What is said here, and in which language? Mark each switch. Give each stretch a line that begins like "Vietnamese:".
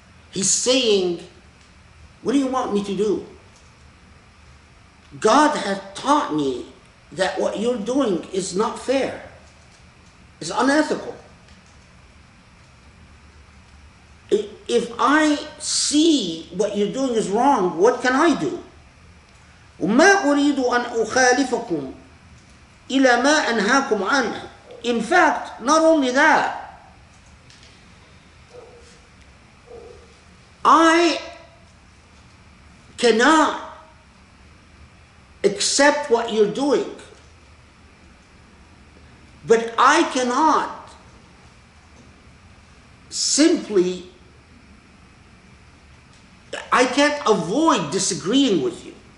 English: He's saying, what do you want me to do? God has taught me that what you're doing is not fair, it's unethical. If I see what you're doing is wrong, what can I do?
Arabic: وَمَا أُرِيدُ أَنْ أُخَالِفَكُمْ إِلَى مَا أَنْهَاكُمْ عَنْهُ.
English: In fact, not only that, I cannot accept what you're doing, but I cannot simply, I can't avoid disagreeing with you.